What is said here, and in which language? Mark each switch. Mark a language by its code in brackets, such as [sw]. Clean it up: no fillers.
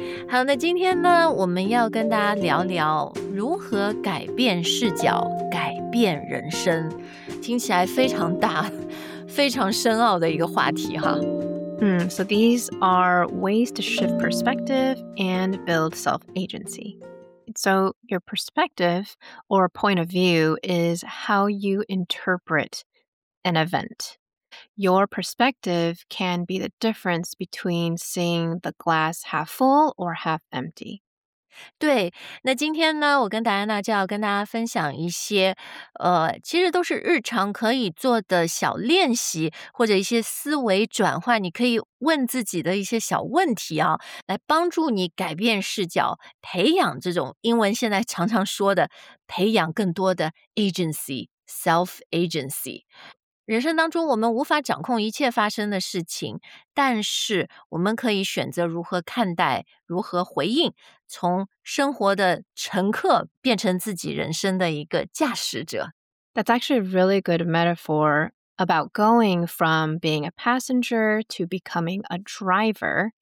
[zh] 好，那今天呢，我们要跟大家聊聊如何改变视角，改变人生。听起来非常大，非常深奥的一个话题哈。 [en] So these are ways to shift perspective and build self-agency. So your perspective or point of view is how you interpret an event. Your perspective can be the difference between seeing the glass half full or half empty. [zh] 对，那今天呢，我跟戴安娜就要跟大家分享一些，其实都是日常可以做的小练习，或者一些思维转换，你可以问自己的一些小问题啊，来帮助你改变视角，培养这种英文现在常常说的，培养更多的 agency, self-agency。人生当中，我们无法掌控一切发生的事情，但是我们可以选择如何看待，如何回应，从生活的乘客变成自己人生的一个驾驶者。 [en] That's actually a really good metaphor about going from being a passenger to becoming a driver.